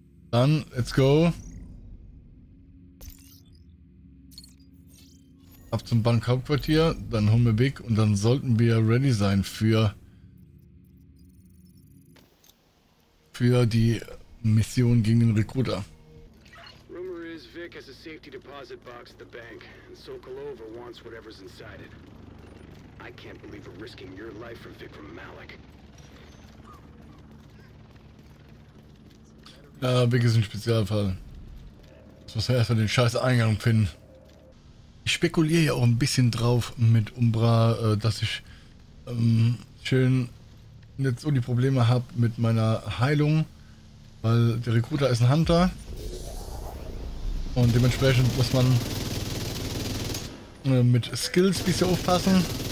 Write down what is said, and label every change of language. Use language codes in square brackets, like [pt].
[en] Dann, let's go. [de] Ab zum Bankhauptquartier, dann holen wir Big und dann sollten wir ready sein für die Mission gegen den Recruiter. [en] Rumor is Vic has a safety deposit box at the bank and Sokolova wants whatever's inside it. I can't believe we're risking your life for Vic from Malik. [de] Ja, Vic ist ein Spezialfall. Jetzt muss man erstmal den scheiß Eingang finden. Ich spekuliere ja auch ein bisschen drauf mit Umbra, dass ich schön jetzt so die Probleme habe mit meiner Heilung, weil der Recruiter ist ein Hunter und dementsprechend muss man mit Skills ein bisschen aufpassen.